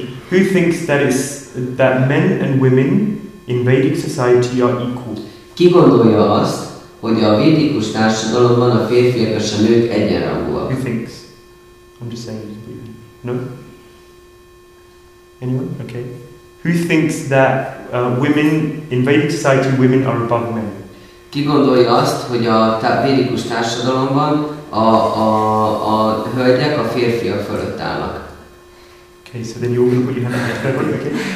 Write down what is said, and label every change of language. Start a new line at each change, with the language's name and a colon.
English: Who thinks that men and women in Vedic society are equal?
Hungarian: Ki gondolja azt, hogy a védikus társadalomban a férfiak és a nők egyenrangúak?
English: Who thinks? I'm just saying. No? Anyone? Okay. Who thinks that women in Vedic society women are above men?
Hungarian: Ki gondolja azt, hogy a védikus társadalomban a hölgyek a férfiak fölött állnak?
English: Okay, so then you're going to put your hand up there, okay?